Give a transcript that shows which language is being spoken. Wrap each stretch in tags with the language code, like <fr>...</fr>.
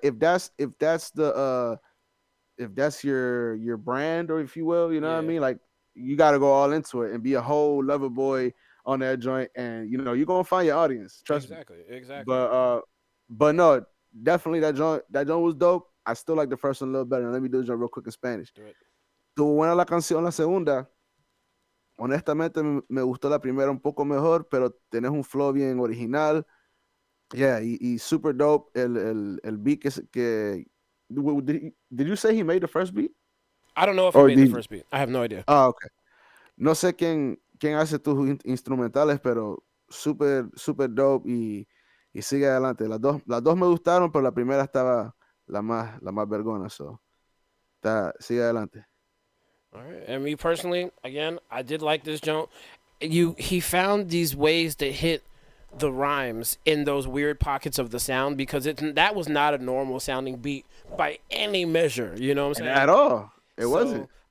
<en>If that's your brand, or if you will, you know what I mean? Like you got to go all into it and be a whole lover boy on that joint. And, you know, you're going to find your audience. Trust me. Exactly. But no, definitely that joint was dope. I still like the first one a little better. Now let me do the joint real quick in Spanish. Do it.</en> <es>Tu buena la canción la segunda. Honestamente, me gustó la primera un poco mejor, pero tenés un flow bien original. Yeah, y</es> <en>super dope.</en> <es>El beat que...</es> <en>Did you say he made the first beat? I don't know if he made the first beat. I have no idea. Ah, okay.</en> <es>No sé quién hace tus instrumentales, pero</es> <en>super, super dope.</en> <es>Y sigue adelante. Las dos me gustaron, pero la primera estaba la más vergona. So, sigue adelante.</es> <en>All right. And me personally, again, I did like this joint. He found these ways to hit the rhymes in those weird pockets of the sound, because that was not a normal sounding beat by any measure. You know what I'm saying? At all. It wasn't.</en>